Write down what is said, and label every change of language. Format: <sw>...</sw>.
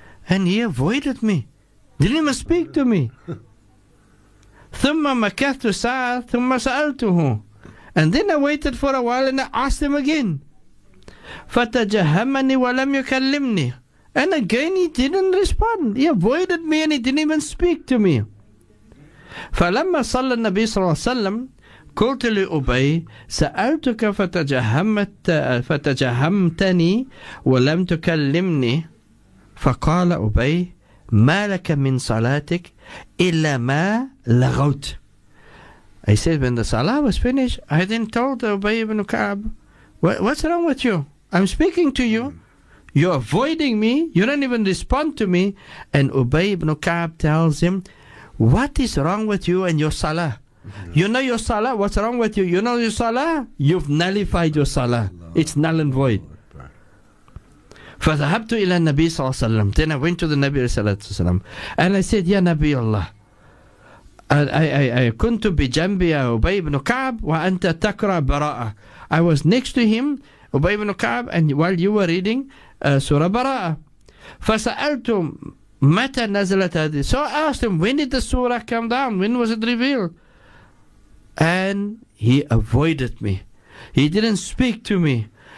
<en>And he avoided me. Didn't even speak to me.</en> <ar>ثُمَّ مَكَثْتُ سَعَةً ثُمَّ سَأَلْتُهُ.</ar> <en>And then I waited for a while and I asked him again.</en> <ar>فَتَجَهَّمَنِي وَلَمْ يُكَلِّمْنِي.</ar> <en>And again he didn't respond. He avoided me and he didn't even speak to me.</en> <ar>فَلَمَّا صَلَّى النَّبِي صَلَّى اللَّهُ عَلَيْهِ وَسَلَّمْ قلت لأبي سألتك فتجهمتني ولم تكلمني. فقال أبي ما لك من صلاتك إلا ما لغوت.</ar> <en>I said, when the salah was finished, I then told Ubay ibn Ka'b, what's wrong with you? I'm speaking to you. You're avoiding me. You don't even respond to me. And Ubay ibn Ka'b tells him, what is wrong with you and your salah? You know your salah, what's wrong with you? You know your salah? You've nullified your salah. It's null and void.</en> <ar>فَذَهَبْتُ إِلَى النَّبِي صَلَّى اللَّهُ عَلَيْهِ وَسَلَّمْ.</ar> <en>Then I went to the Nabi صلى الله عليه وسلم. And I said, Ya Nabi Allah, I</en> <ar>كنت بجنبي أبي بن كعب وأنت تقرأ براءة.</ar> <en>I was next to him, Ubay ibn Ka'b, and while you were reading Surah Bara'ah.</en> <ar>فَسَأَلْتُ مَتَى نَزَلَتْ هَذِهِ.</ar> <en>So I asked him, when did the surah come down? When was it revealed? And he avoided me. He didn't speak to me.</en>